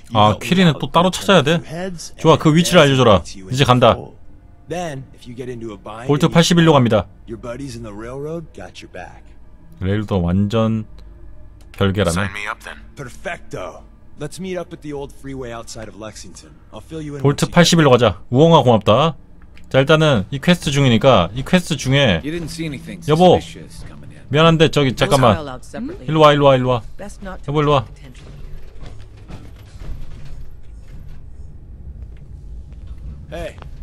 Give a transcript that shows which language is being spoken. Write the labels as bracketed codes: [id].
[ko] 아, 퀴리는 또 따로 찾아야 돼? 좋아, 그 위치를 알려줘라. 이제 간다. [en] Then if you get into a bind, [ko] 볼트 81로 갑니다. [en] Your buddies in the railroad got your back. [ko] 레일도 완전 별개라네. [en] Sign me up then. Perfecto. Let's meet up at the old freeway outside of Lexington. I'll fill you in. [ko] 볼트 81로 가자. 우엉아 고맙다. 자, 일단은 이 퀘스트 중이니까 이 퀘스트 중에 여보. 미안한데 저기 잠깐만. 일로 와, 일로 와, 일로 와. 여보 일로 와. 헤이.